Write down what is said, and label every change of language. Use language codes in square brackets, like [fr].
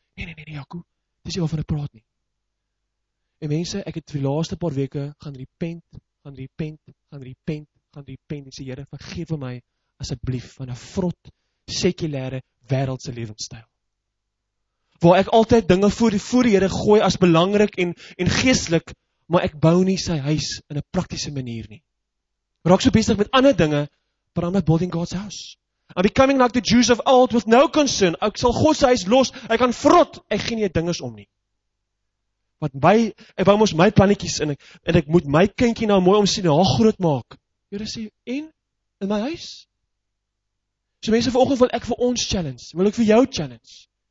[af] Nee, Jaco, dis jy waarvan ek praat nie. En mense, ek het vir die laaste paar weke gaan repent, en sê, Here, vergeef my asseblief van 'n vrot, sekulêre, wêreldse lewenstyl. Waar ek altyd dinge voor die Here gooi as belangrik en geestelik, maar ek bou nie sy huis in 'n praktiese manier nie. Raak so besig met ander dinge, [en] but I'm not building God's house. I'm becoming like the Jews of old with no concern. [af] Ek sal God se huis los, ek kan vrot, ek gee nie dinges om nie. Want my, ek bou mos my plannetjies en ek moet my kindjie nou mooi omsien en haar groot maak. Here sê, en in my huis? So mense, vanoggend wil ek vir ons challenge, wil ek vir jou challenge.